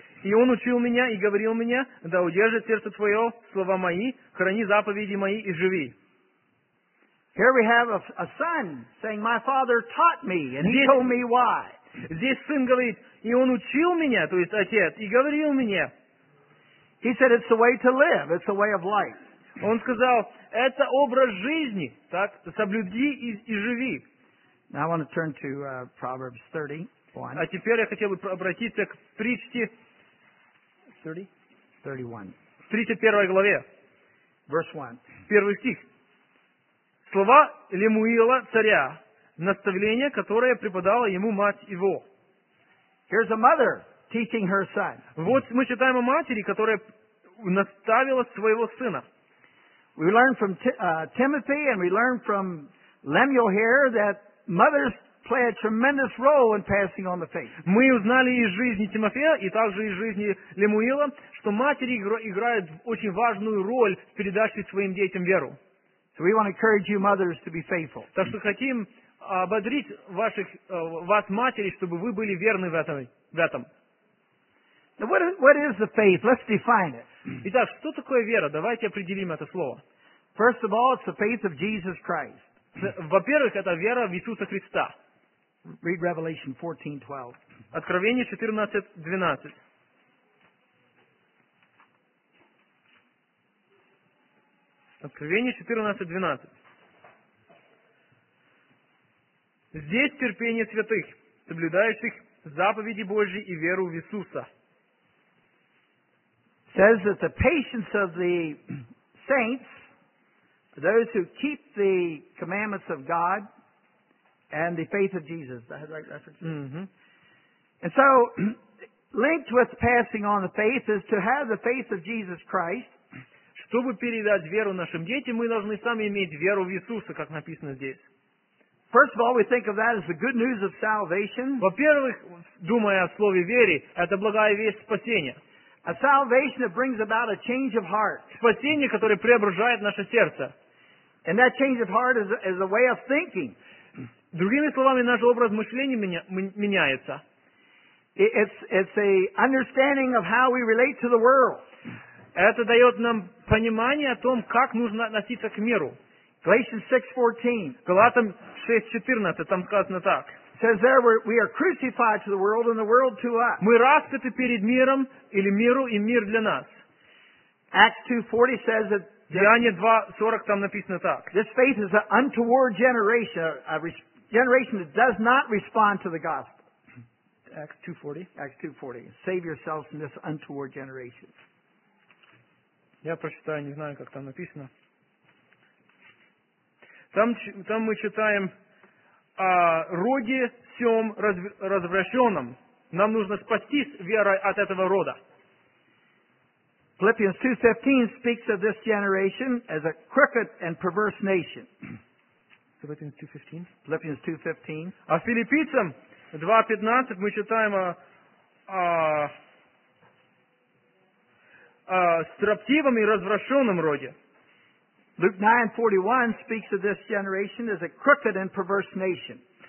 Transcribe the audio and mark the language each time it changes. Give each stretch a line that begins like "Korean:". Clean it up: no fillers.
Russian: И он учил меня и говорил мне, да удержит сердце твое слова мои, храни заповеди мои и живи.
English: Here we have a son saying, my father taught me and he told me why.
Russian: Здесь сын говорит, и он учил меня, то есть отец, и говорил мне.
English: He said, it's the way to live, it's the way of life.
Russian: Он сказал, это образ жизни, так, соблюди и живи.
English: Now I want to turn to Proverbs 31.
Russian: А теперь я хотел бы обратиться к притче 31 главе.
English: Verse 1.
Russian: Первый стих. Слова Лемуила, царя, наставление, которое преподала ему мать его.
English: Here's a mother teaching her son.
Russian: Вот мы читаем о матери, которая наставила своего сына.
English: We learn from Timothy and we learn from Lemuel here that mothers play a tremendous role in passing on the faith.
Russian: Мы узнали из жизни Тимофея и также из жизни Лемуила, что матери играют очень важную роль в передаче своим детям веру.
English: So we want to encourage you mothers to be faithful.
Russian: Так что хотим ободрить вас матери, чтобы вы были верны в этом.
English: What is the faith? Let's define it.
Russian: Итак, что такое вера? Давайте определим это слово.
English: First of all, it's the faith of Jesus Christ.
Russian: Во-первых, это вера в Иисуса Христа.
English: Read Revelation 14:12.
Russian: Откровение 14:12. Откровение 14:12. Здесь терпение святых, соблюдающих заповеди Божьи и веру в Иисуса.
English: Says that the patience of the saints, those who keep the commandments of God, and the faith of Jesus. That has that reference. And so, linked with passing on the faith is to have the faith of Jesus Christ.
Russian: Чтобы передать веру нашим детям, мы должны сами иметь веру в Иисуса, как написано здесь.
English: First of all, we think of that as the good news of salvation.
Russian: Во-первых, думая о слове вере, это благая весть спасения.
English: A salvation that brings about a change of heart.
Russian: Спасение, которое преображает наше сердце.
English: And that change of heart is a way of thinking.
Russian: Другими словами, наш образ мышления меняется.
English: It's a understanding of how we relate to the world.
Russian: Это дает нам понимание о том, как нужно относиться к миру. Галатам 6:14, там сказано так.
English: Says there we are crucified to the world and the world to us.
Russian: Мы распяты перед миром или миру и мир для нас.
English: Acts 2:40 says that.
Russian: Деяние 2:40 там написано так.
English: This faith is an untoward generation, a generation that does not respond to the gospel. Acts 2:40. Save yourselves from this untoward generation.
Russian: Я прочитаю, не знаю, как там написано. Там мы читаем. О роде всем развращенном. Нам нужно спастись верой от этого рода.
English: Philippians 2:15 speaks of this generation as a crooked and perverse nation. Philippians 2:15.
Russian: А Филиппийцам 2:15 мы читаем о строптивом и развращенном роде.
English: Luke 9:41 speaks of this generation as a crooked and perverse nation.